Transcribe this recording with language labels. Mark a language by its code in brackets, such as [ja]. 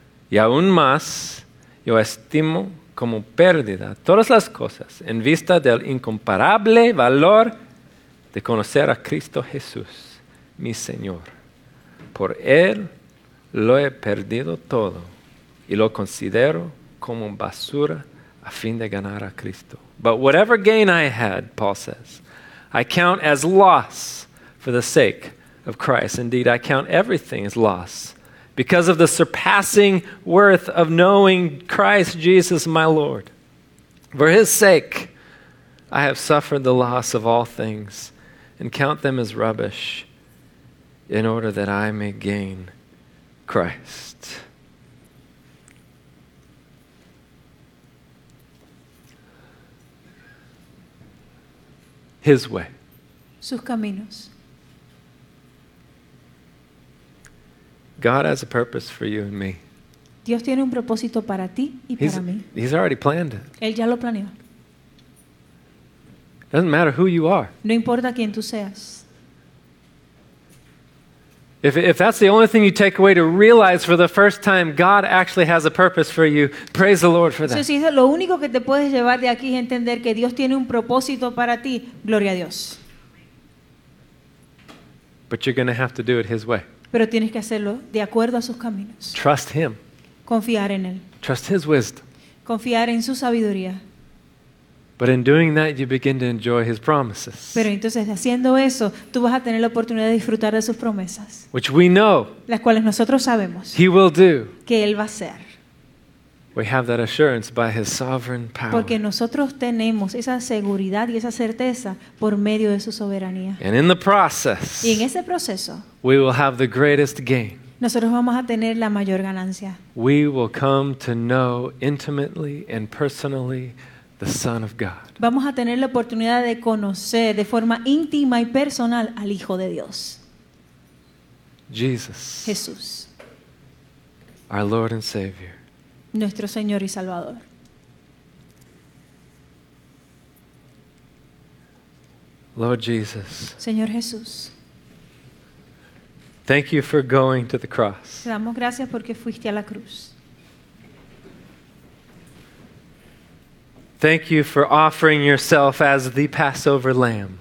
[es] Y aún más, yo estimo como pérdida todas las cosas en vista del incomparable valor de conocer a Cristo Jesús, mi Señor. Por Él lo he perdido todo y lo considero como basura a fin de ganar a Cristo. [en] But whatever gain I had, Paul says, I count as loss for the sake of Christ. Indeed, I count everything as loss because of the surpassing worth of knowing Christ Jesus my Lord. For his sake, I have suffered the loss of all things and count them as rubbish in order that I may gain Christ. His way. [es] Sus caminos. [en] God has a purpose for you and me. [es] Dios tiene un propósito para ti y para mí. [en] He's already planned. [es] Él ya lo planeó. [en] Doesn't matter who you are. [es] No importa quién tú seas. [en] If that's the only thing you take away to realize for the first time God actually has a purpose for you, praise the Lord for that. [es] Si es lo único que te puedes llevar de aquí es entender que Dios tiene un propósito para ti, gloria a Dios. [en] But you're going to have to do it His way. [es] Pero tienes que hacerlo de acuerdo a sus caminos. [en] Trust Him. [es] Confiar en Él. [en] Trust His wisdom. [es] Confiar en su sabiduría. [en] But in doing that, you begin to enjoy His promises. [es] Pero entonces, haciendo eso, tú vas a tener la oportunidad de disfrutar de sus promesas. [en] Which we know. [es] Las cuales nosotros sabemos. [en] He will do. [es] Que Él va a hacer. [en] We have that assurance by His sovereign power. [es] Porque nosotros tenemos esa seguridad y esa certeza por medio de su soberanía. [en] And in the process. [es] Y en ese proceso. [en] We will have the greatest gain. [es] Nosotros vamos a tener la mayor ganancia. [en] We will come to know intimately and personally the Son of God. [es] Vamos a tener la oportunidad de conocer de forma íntima y personal al Hijo de Dios. [en] Jesus. [es] Jesús. [en] Our Lord and Savior. [es] Nuestro Señor y Salvador. [en] Lord Jesus. [es] Señor Jesús. [en] Thank you for going to the cross. [es] Te damos gracias porque fuiste a la cruz. [en] Thank you for offering yourself as the Passover lamb.